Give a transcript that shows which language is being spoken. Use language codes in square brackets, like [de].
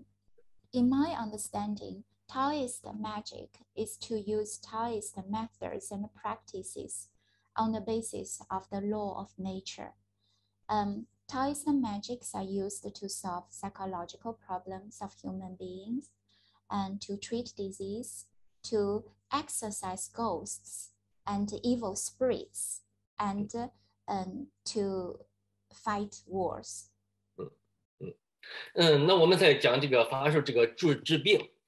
[zh] 就是我们就是这个道士，那个法术啊，也就是说道士用来解决啊在生活一些心理问题啊，那就是也有人就是这个道士，我们可以说是用这个法术来治病啊，或者是驱鬼驱邪呀，那我在古代的话，这个也有这个人，哎呦，用这个法术其实就是一种心理战术的话，这样的话就是说怎么说去打仗啊。 [en] In my understanding, Taoist magic is to use Taoist methods and practices on the basis of the law of nature. Taoist magics are used to solve psychological problems of human beings and to treat disease, to exorcise ghosts and evil spirits, and to fight wars. [zh] 那我们再讲这个法术，这个治病。